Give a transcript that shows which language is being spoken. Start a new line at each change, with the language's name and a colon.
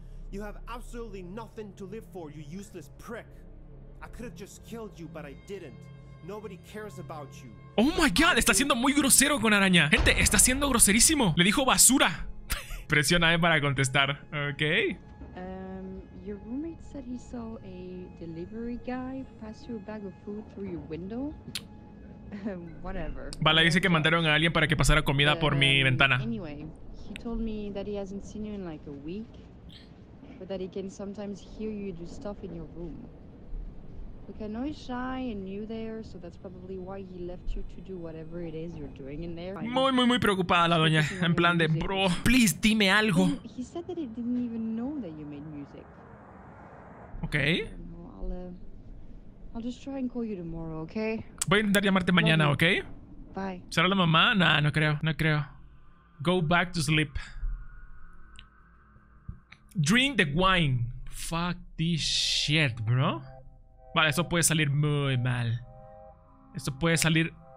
English: You have absolutely nothing to live for, you useless prick. I could have just killed you, but I didn't. Nobody cares about you. Oh my God,
Spanish: está siendo muy grosero con araña. Gente, está siendo groserísimo. Le dijo basura. Presiona E para contestar. Ok.
English: Your roommate said he saw a delivery guy pass you a bag of food through your window. Whatever.
Spanish: Vale, dice que mandaron a alguien para que pasara comida por mi ventana.
English: Anyway, he told me that he hasn't seen you in like a week, but that he can sometimes hear you do stuff in your room. Look, I know he's shy and new there, so that's probably why he left you to do whatever it is you're doing in there.
Spanish: Muy, muy, muy preocupada la doña, en plan de, bro, please, dime algo.
English: He said that he didn't even know that you made music. Okay. I'll just try and call you tomorrow, okay?
Spanish: Voy a intentar llamarte mañana, okay?
English: Bye.
Spanish: ¿Será la mamá? Nah, no creo, no creo.
English: Go back to sleep. Drink the wine. Fuck this shit, bro.
Spanish: Vale, esto puede salir muy mal. Esto puede salir...